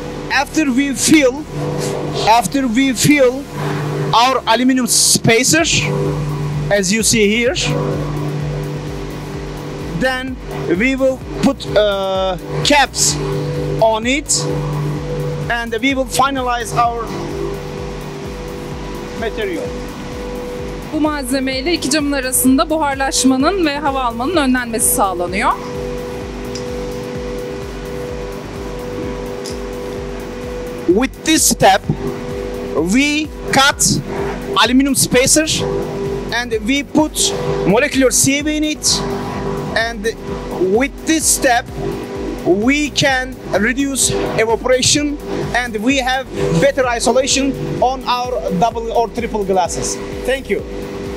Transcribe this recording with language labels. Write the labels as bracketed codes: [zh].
[en] After we fill our aluminum spacer, as you see here, then we will put caps on it, and we will finalize our material. [tr] Bu malzemeyle iki camın arasında buharlaşmanın ve hava almanın önlenmesi sağlanıyor. [en] With this step, we cut aluminum spacer and we put molecular sieve in it. And with this step, we can reduce evaporation and we have better isolation on our double or triple glasses. Thank you.